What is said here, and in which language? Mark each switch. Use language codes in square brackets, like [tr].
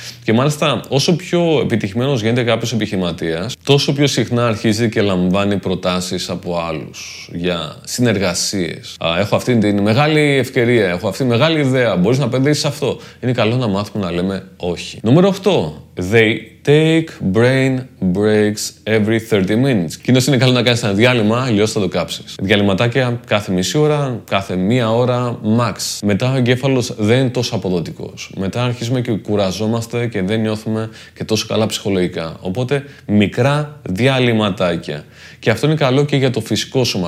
[el] Και μάλιστα, όσο πιο επιτυχημένος γίνεται κάποιος επιχειρηματίας, τόσο πιο συχνά αρχίζει και λαμβάνει προτάσεις από άλλους για συνεργασίες. Έχω αυτή την μεγάλη ευκαιρία, έχω αυτή τη μεγάλη ιδέα, μπορείς να επενδύσεις αυτό. Είναι καλό να μάθουμε να λέμε όχι. Νούμερο 8. [en] They take brain breaks every 30 minutes. [el] Κοινώς είναι καλό να κάνεις ένα διάλειμμα, αλλιώς θα το κάψεις. Διαλυματάκια κάθε μισή ώρα, κάθε μία ώρα, max. Μετά ο εγκέφαλος δεν είναι τόσο αποδοτικός. Μετά αρχίζουμε και κουραζόμαστε και δεν νιώθουμε και τόσο καλά ψυχολογικά. Οπότε μικρά διαλυματάκια. Και αυτό είναι καλό και για το φυσικό σώμα.